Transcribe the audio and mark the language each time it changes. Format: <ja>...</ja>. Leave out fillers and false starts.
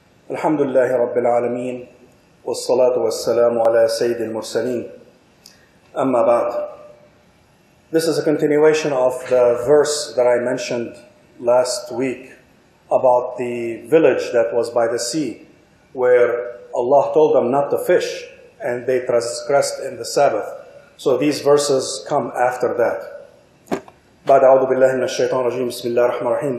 <ar>الحمد لله رب العالمين والصلاة والسلام على سيد المرسلين أما بعد.</ar> <en>This is a continuation of the verse that I mentioned last week about the village that was by the sea where Allah told them not to fish and they transgressed in the Sabbath. So these verses come after that.</en> <ar>بعد أعوذ بالله من الشيطان الرجيم بسم الله الرحمن الرحيم.</ar>